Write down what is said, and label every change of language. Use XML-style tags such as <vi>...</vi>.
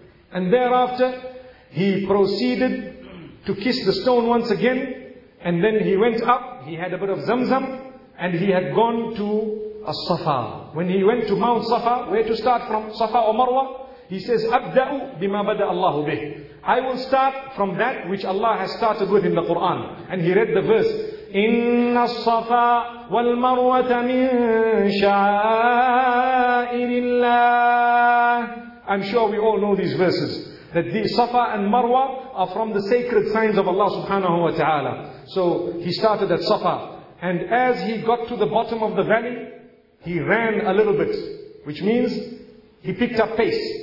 <en>And thereafter he proceeded to kiss the stone once again, and then he went up. He had a bit of zamzam and he had gone to As-Safa. When he went to Mount Safa, where to start from, Safa or Marwa, he says,</en> <ar>أَبْدَأُ بِمَا بَدَأَ اللَّهُ بِهِ,</ar> <en>I will start from that which Allah has started with in the Quran. And he read the verse,</en> <ar>إِنَّ الصَّفَا وَالْمَرْوَةَ مِن شَعَائِرِ اللَّهِ.</ar> <en>I'm sure we all know these verses, that the Safa and Marwa are from the sacred signs of Allah subhanahu wa ta'ala. So he started at Safa, and as he got to the bottom of the valley, he ran a little bit, which means he picked up pace.</en>